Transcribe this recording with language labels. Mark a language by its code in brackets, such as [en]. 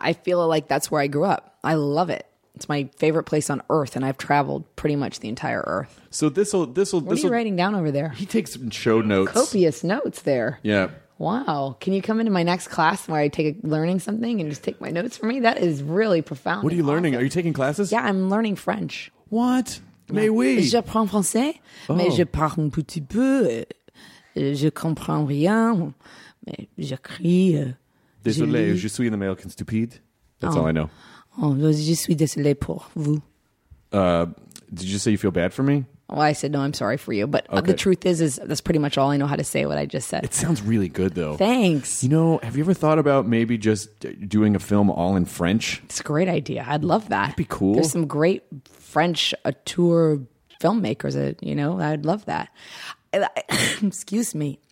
[en] I feel like that's where I grew up. I love it. It's my favorite place on earth, and I've traveled pretty much the entire earth. So this will. What are you writing down over there? He takes show notes. Copious notes there. Yeah. Wow. Can you come into my next class where I take learning something and just take my notes for me? That is really profound. What are you learning? Awesome. Are you taking classes? Yeah, I'm learning French. What? Yeah. [fr] Mais oui. Je parle français, mais je parle un petit peu. Je comprends rien, mais je crie. Désolé, je suis un American stupide. [en] That's all I know. [fr] Oh, je suis désolé pour vous. [en] Did you say you feel bad for me? Well, I said, no, I'm sorry for you. But okay. The truth is that's pretty much all I know how to say what I just said. It sounds really good, though. Thanks. You know, have you ever thought about maybe just doing a film all in French? It's a great idea. I'd love that. That'd be cool. There's some great French auteur filmmakers, you know, I'd love that. excuse me.